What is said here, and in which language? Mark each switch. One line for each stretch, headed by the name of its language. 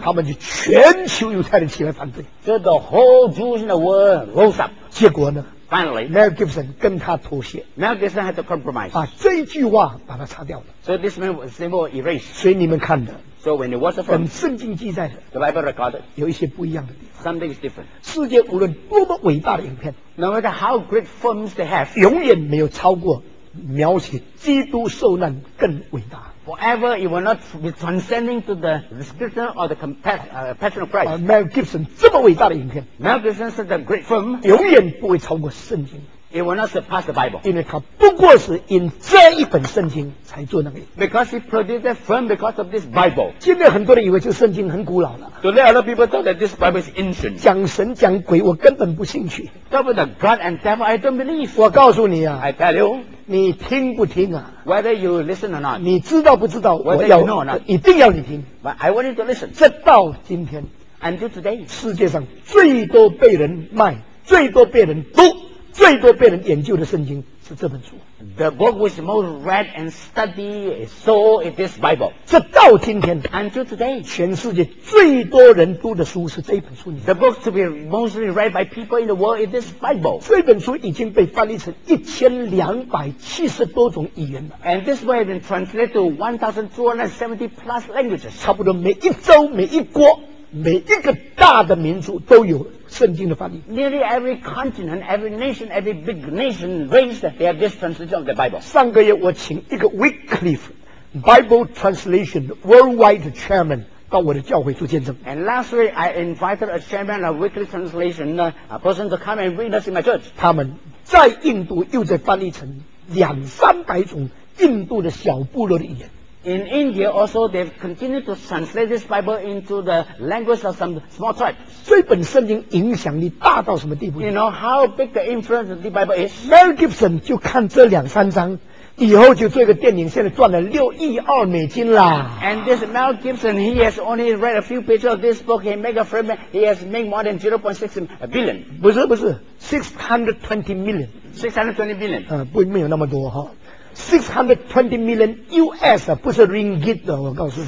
Chinese: 他们就全球犹太人起来反对
English: So the whole Jews in the world rose up.
Chinese: 结果呢
English: Finally,
Chinese: Mel Gibson 跟他妥协
English: Mel Gibson had to compromise.
Chinese: 把这句话把它擦掉了
English: So this man was simple erased.
Chinese: 所以你们看的
English: So when it was a film,
Chinese: 跟圣经记载的
English: The Bible recorded.
Chinese: 有一些不一样的
English: Something is different.
Chinese: 世界无论多么伟大的影片
English: No matter how great films they have,
Chinese: 永远没有超过描写基督受难更伟大
English: forever, it will not be transcending to the description or the passion of Christ.
Chinese: Mel Gibson 这么伟大的影片
English: ，Mel Gibson 是 the great film，
Chinese: 永远不会超过圣经。
English: It will not surpass the Bible，
Chinese: 因为他不过是 in 这一本圣经才做那个。
English: Because he produced that film because of this Bible。
Chinese: 现在很多人以为这圣经很古老了。
English: Today a lot of people thought that this Bible is ancient。
Chinese: 讲神讲鬼，我根本不兴趣。
English: Talk about God and devil, I don't believe。
Chinese: 我告诉你啊
English: ，I tell you，
Chinese: 你听不听啊
English: ？Whether you listen or not，
Chinese: 你知道不知道？
English: Whether you know or not，
Chinese: 一定要你听。
English: But I want you to listen。
Chinese: 直到今天
English: ，until today，
Chinese: 世界上最多被人卖、最多被人读。最多被人研究的圣经是这本书。
English: The book which most read and studied so is this Bible。
Chinese: 直到今天
English: ，until today，
Chinese: 全世界最多人读的书是这本书。
English: The book to be mostly read by people in the world is this Bible。
Chinese: 这本书已经被翻译成1270多种语言了。
English: And this book has been translated to 1,270 plus languages。
Chinese: 差不多每一州、每一国、每一个大的民族都有。圣经的翻译
English: Nearly every continent, every nation, every big nation race that they have this translation of the Bible.
Chinese: 上个月我请一个 Wycliffe Bible Translation Worldwide Chairman 到我的教会做见证
English: And last week I invited a chairman of Wycliffe Translation, a person to come and read us in my church.
Chinese: 他们在印度又在翻译成200-300种印度的小部落的语言
English: In India also, they've continued to translate this Bible into the language of some small tribes.
Chinese: 这本圣经影响力大到什么地步
English: You know how big the influence of the Bible is?
Chinese: Mel Gibson 就看这2-3章以后就做一个电影现在赚了$6亿啦。
English: And this Mel Gibson, he has only read a few pages of this book, he made a film, he has made more than 0.6 billion.
Chinese: 不是不是 ,620 million.
English: 620 million.、
Chinese: 不没有那么多哈。 620 million US 不是 ringgit 的我告诉你